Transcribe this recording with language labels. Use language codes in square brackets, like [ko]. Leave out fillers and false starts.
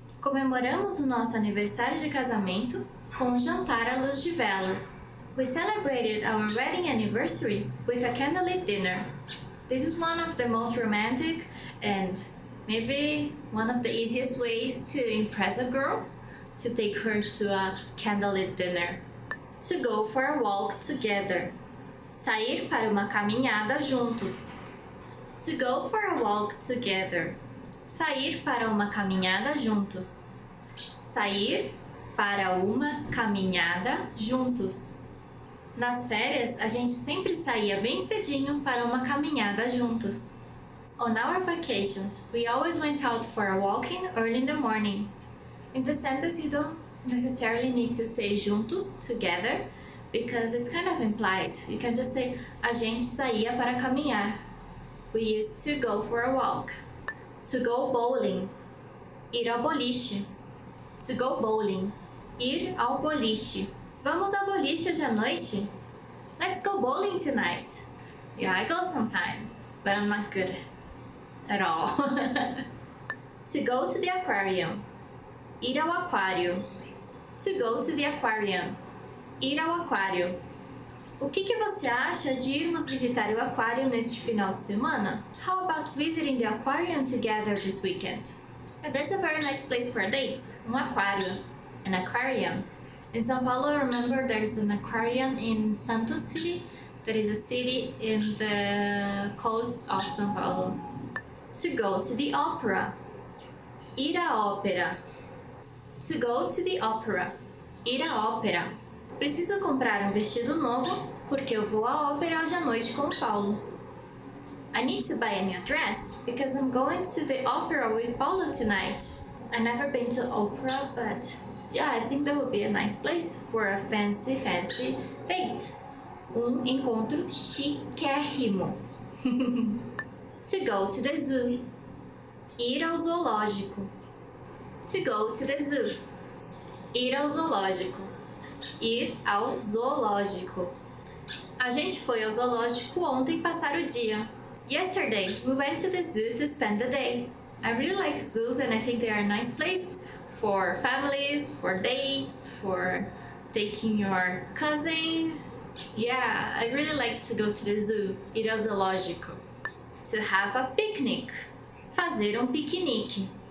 [pt] Comemoramos o nosso aniversário de casamento com um jantar à luz de velas. [en] We celebrated our wedding anniversary with a candlelit dinner. This is one of the most romantic and maybe one of the easiest ways to impress a girl, to take her to a candlelit dinner. To go for a walk together. Sair para uma caminhada juntos. To go for a walk together. Sair para uma caminhada juntos. [pt] Sair para uma caminhada juntos. Nas férias, a gente sempre saía bem cedinho para uma caminhada juntos. [en] On our vacations, we always went out for a walking early in the morning. In the sentence, you don't necessarily need to say juntos, together, because it's kind of implied. You can just say, a gente saía para caminhar. We used to go for a walk. To go bowling. Ir ao boliche. To go bowling. [pt] Ir ao boliche. Vamos ao boliche hoje à noite? [en] Let's go bowling tonight. Yeah, I go sometimes, but I'm not good at all. To go to the aquarium. Ir ao aquário. To go to the aquarium. Ir ao aquário. [pt] O que você acha de irmos visitar o aquário neste final de semana? [en] How about visiting the aquarium together this weekend? That's a very nice place for a date. Um aquário. An aquarium. In São Paulo, remember, there's an aquarium in Santos City, that is a city in the coast of São Paulo. To go to the opera. Ir à ópera. To go to the opera. Ir à ópera. [pt] Preciso comprar vestido novo, porque eu vou à ópera hoje à noite com o Paulo. [en] I need to buy a new dress, because I'm going to the opera with Paulo tonight. I've never been to opera, but... yeah, I think that would be a nice place for a fancy, fancy date. Um encontro chiquérrimo. To go to the zoo. Ir ao zoológico. To go to the zoo. [pt] Ir ao zoológico. Ir ao zoológico. A gente foi ao zoológico ontem passar o dia. [en] Yesterday, we went to the zoo to spend the day. I really like zoos and I think they are a nice place for families, for dates, for taking your cousins. Yeah, I really like to go to the zoo. [pt] Ir ao zoológico. To have a picnic. Fazer piquenique.